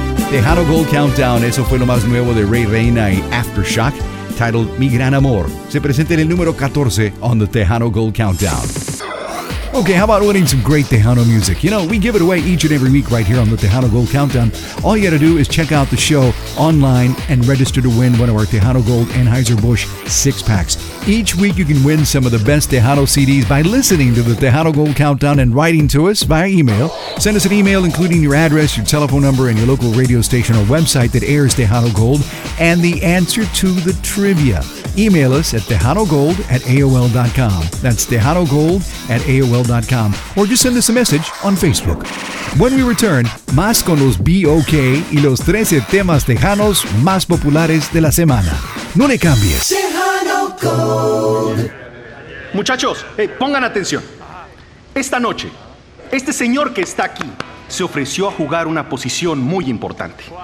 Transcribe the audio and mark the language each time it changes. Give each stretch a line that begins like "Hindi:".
Spanish: Tejano Gold Countdown, eso fue lo más nuevo de Ray Reyna y Aftershock,
English: titled
Spanish: Mi Gran Amor. Se presenta en el número 14
English: on the
Spanish: Tejano Gold Countdown.
English: Okay, how about winning some great Tejano music? You know, we give it away each and every week right here on the Tejano Gold Countdown. All you gotta do is check out the show online and register to win one of our Tejano Gold Anheuser-Busch six-packs. Each week you can win some of the best Tejano CDs by listening to the Tejano Gold Countdown and writing to us via email. Send us an email including your address, your telephone number, and your local radio station or website that airs Tejano Gold, and the answer to the trivia. Email us at TejanoGold@AOL.com. That's TejanoGold@AOL.com. Or just send us a message on Facebook. When we return,
Spanish: más con los B.O.K. y los 13 temas tejanos más populares de la semana. No le cambies. Tejano Gold. Muchachos, pongan atención. Esta noche, este señor que está aquí se ofreció a jugar una posición muy importante.